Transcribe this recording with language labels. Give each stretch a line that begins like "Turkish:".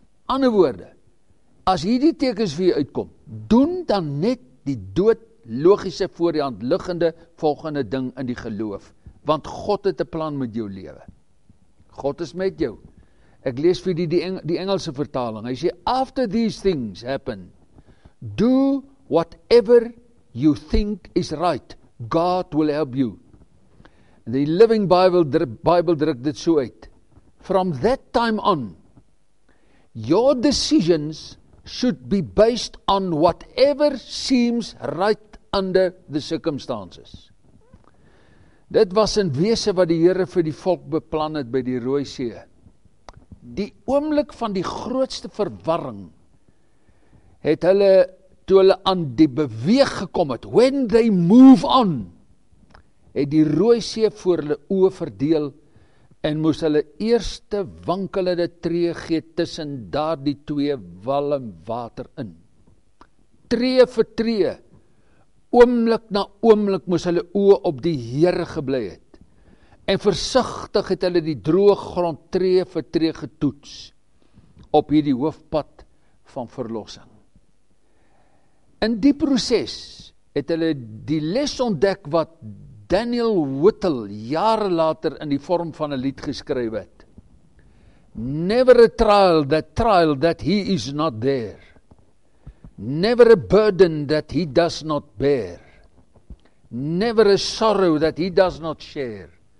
Afrikaans: Ander woorde, as hierdie tekens vir jou uitkom, doen dan net die dood logiese voor die hand liggende volgende ding in die geloof, want God het 'n plan met jou lewe. God is met jou. Ek lees vir die Engelse vertaling.
English: Hy sê, after these things happen, do whatever you think is right, God will help you. The Living Bible druk dit so uit: from that time on, your decisions should be based on whatever seems right under the circumstances.
Afrikaans: Dit was in wese wat die Here vir die volk beplan het by die Rooi See. Die oomblik van die grootste verwarring het hulle toe hulle aan die beweeg gekom het. When they move on, het die Rooi See voor hulle oë verdeel, en moes hulle eerste wankelende tree gee tussen daar die twee walm water in. Tree vir tree, oomblik na oomblik, moes hulle oë op die Here geblei het, en versigtig het hulle die droë grond tree vir tree getoets op hierdie hoofpad van verlossing. In die proses het hulle die les ontdek wat Daniel Whittle jare later in die vorm van 'n lied geskryf het.
English: Never a trial that he is not there. Never a burden that he does not bear. Never a sorrow that he does not share.